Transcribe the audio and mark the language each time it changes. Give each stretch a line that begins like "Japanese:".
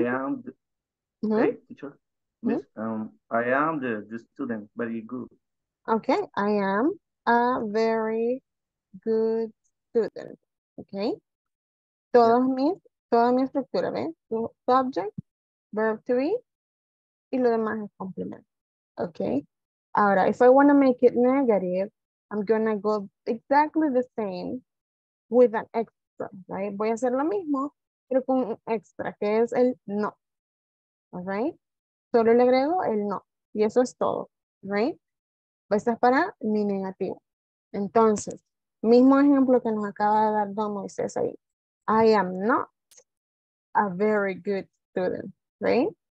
English: I am the, hey, teacher. Miss, I am the student, very good. Okay, I am a very good student, okay?
Spanish: Todos mis, toda mi estructura, ¿ves?
English: Subject, verb to be,
Spanish: y lo demás es complemento.
English: Okay. Ahora, if I want to make it negative, I'm going to go exactly the same with an extra, right?
Spanish: Voy a hacer lo mismo, pero con un extra, que es el no. All right? Solo le agrego el no. Y eso es todo, right? Esto es para mi negativo. Entonces, mismo ejemplo que nos acaba de dar Don Moisés ahí.
English: I am not a very good student, right?